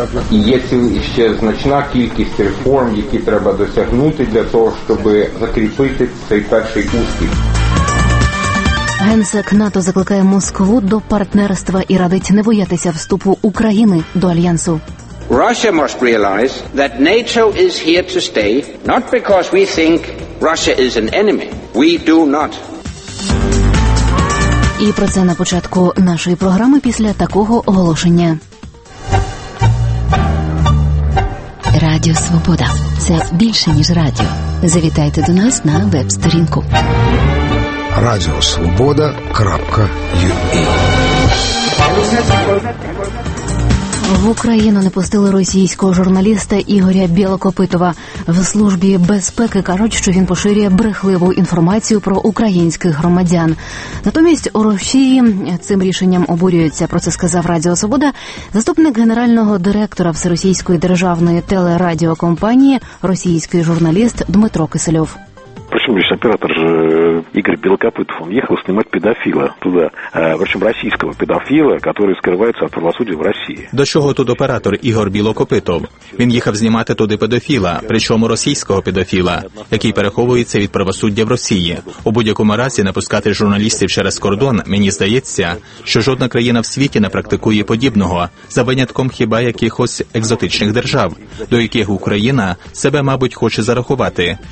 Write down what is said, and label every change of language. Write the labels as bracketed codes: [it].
[uk] Є ще значна кількість реформ, які треба досягнути для того, щоб закріпити цей перший успіх. Генсек НАТО закликає Москву до партнерства і радить не боятися вступу України до Альянсу. [en] Russia must realize that NATO is here to stay, not because we think Russia is an enemy. We do not. [uk] І про це на початку нашої програми після такого оголошення. Радіо Свобода. Це більше, ніж радіо. Завітайте до нас на веб-сторінку. radiosvoboda.ua. В Україну не пустили російського журналіста Ігоря Білокопитова. В Службі безпеки кажуть, що він поширює брехливу інформацію про українських громадян. Натомість у Росії цим рішенням обурюються, про це сказав Радіо Свобода, заступник генерального директора Всеросійської державної телерадіокомпанії, російський журналіст Дмитро Кисельов. [ru] Причому лишь оператор же Игорь Белокопытов, он ехал снимать педофила туда, причем российского педофила, который скрывается от правосудия в России. [uk] До чого тут оператор Ігор Білокопитов? Він їхав знімати туди педофіла, причому російського педофіла, який переховується від правосуддя в Росії. У будь-якому разі напускати журналістів через кордон, мені здається, що жодна країна в світі не практикує подібного, за винятком хіба якихось екзотичних держав, до яких Україна себе, мабуть, хоче зарахувати.